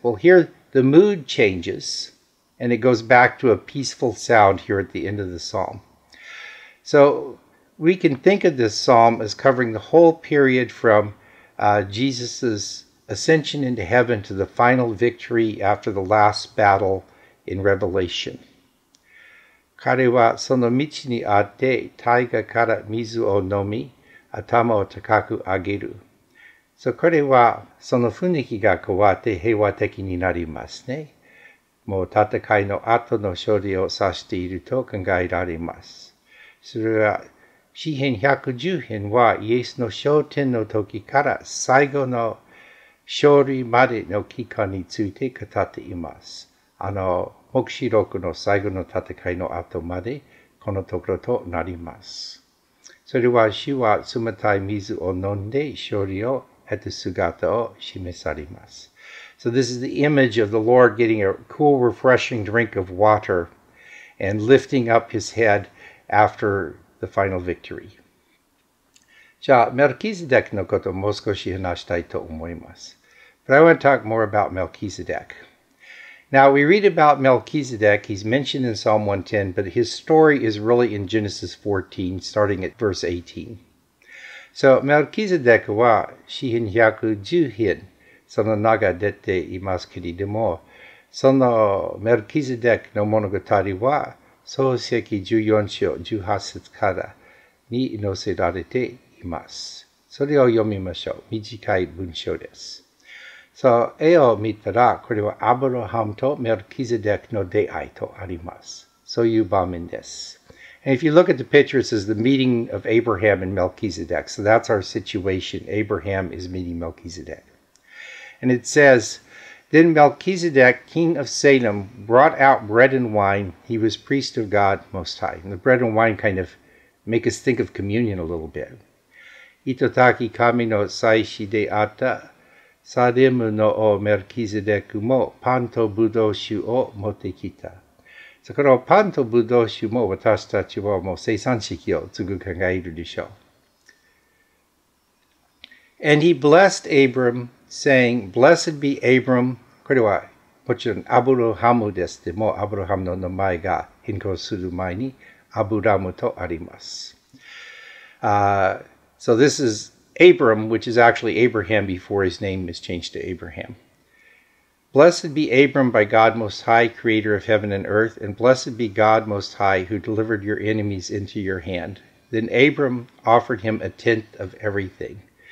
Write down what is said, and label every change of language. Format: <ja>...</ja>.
<en>Well, here the mood changes, and it goes back to a peaceful sound here at the end of the psalm. So we can think of this psalm as covering the whole period from Jesus's ascension into heaven to the final victory after the last battle in Revelation.</en> <ja>彼はその道にあって、大河から水を飲み、頭を高く上げる。これはその雰囲気が変わって平和的になりますね。もう戦いの後の勝利を指していると考えられます。それは詩編110編はイエスの昇天の時から最後の勝利までの期間について語っています。黙示録の最後の戦いの後までこのところとなります。それは主は冷たい水を飲んで勝利を得た姿を示されます。</ja> <en>So this is the image of the Lord getting a cool, refreshing drink of water and lifting up his head after the final victory.</en> <ja>じゃあ、メルキゼデクのことをもう少し話したいと思います。</ja> <en>But I want to talk more about Melchizedek. Now, we read about Melchizedek. He's mentioned in Psalm 110, but his story is really in Genesis 14, starting at verse 18.</en> <ja>So, Melchizedek は詩編110編、その名が出ていますけれども、そのメルキゼデクの物語は、創世記14章18節からに載せられています。それを読みましょう。短い文章です。絵を見たら、これはアブラハムとメルキゼデクの出会いとあります。そういう場面です。</ja> <en>And if you look at the picture, it says the meeting of Abraham and Melchizedek. So that's our situation. Abraham is meeting Melchizedek. And it says, Then Melchizedek, king of Salem, brought out bread and wine. He was priest of God Most High. And the bread and wine kind of make us think of communion a little bit.</en> <ja>Itotaki kami no saishi de atta Salemu no o Melchizedek mo panto budoshu o motekita. そこのパンとブドウ酒も私たちはもう生産式を継ぐ考えるでしょう。</ja> <en>And he blessed Abram, saying, Blessed be Abram.</en> <ja>これはもちろんアブラハムです。でもアブラハムの名前が変更する前にアブラムとあります。</ja> <en>So this is Abram, which is actually Abraham before his name is changed to Abraham. Blessed be Abram by God Most High, creator of heaven and earth, and blessed be God Most High, who delivered your enemies into your hand. Then Abram offered him a tenth of everything.</en>